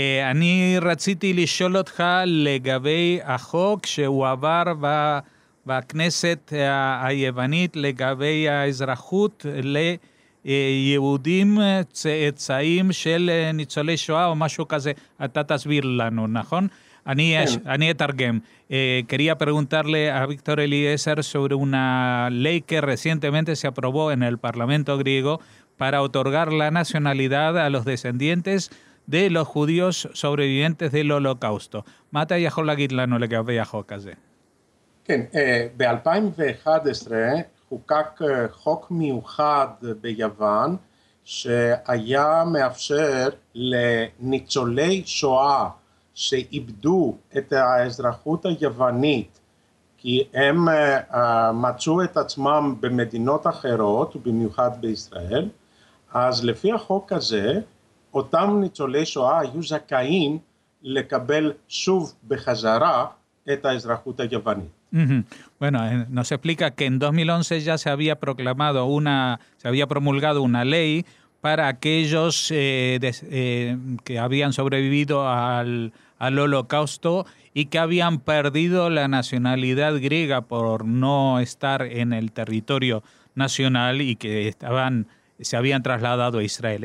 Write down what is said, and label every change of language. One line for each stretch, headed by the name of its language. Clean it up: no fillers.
Hebrew: אני רציתי לשאול אותך לגבי החוק שהוא עבר בכנסת היוונית לגבי האזרחות ליהודים צאצאים של ניצולי שואה או משהו כזה. אתה תסביר לנו, נכון? אני אתרגם.
Spanish: Quería preguntarle a Víctor Eliezer sobre una ley que recientemente se aprobó en el Parlamento griego para otorgar la nacionalidad a los descendientes de los judíos sobrevivientes del Holocausto.
Hebrew: מה אתה יכול להגיד לנו לגבי החוק הזה? כן, ב-2011 חוקק חוק מיוחד ביוון שהיה מאפשר לניצולי שואה שאיבדו את האזרחות היוונית כי הם מצאו את עצמם במדינות אחרות, במיוחד בישראל, אז לפי החוק הזה, אותם ניצולי שואה היו זכאים לקבל שוב בחזרה את האזרחות היוונית.
Spanish: Bueno, nos explica que en 2011 ya se había proclamado una, se había promulgado una ley para aquellos que habían sobrevivido al Holocausto y que habían perdido la nacionalidad griega por no estar en el territorio nacional y que estaban, se habían trasladado a Israel.